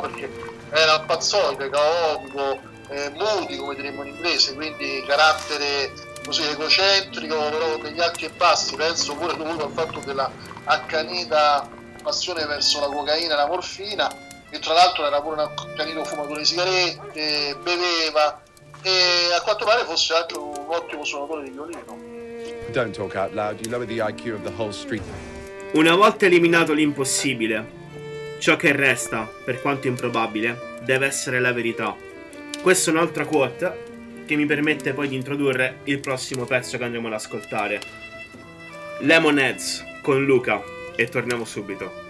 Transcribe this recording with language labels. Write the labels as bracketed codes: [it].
[it] Perché era pazzoide, caotico, moody, come diremmo in inglese, quindi carattere così egocentrico, però degli alti e bassi. Penso pure dovuto al fatto della accanita passione verso la cocaina e la morfina, che tra l'altro era pure un accanito fumatore di sigarette, beveva, e a quanto pare fosse anche un ottimo suonatore di violino. [en] Don't talk out loud, you lower the IQ of the whole street. [it] Una volta eliminato l'impossibile, ciò che resta, per quanto improbabile, deve essere la verità. Questa è un'altra quote che mi permette poi di introdurre il prossimo pezzo che andremo ad ascoltare. Lemonheads con Luca, e torniamo subito.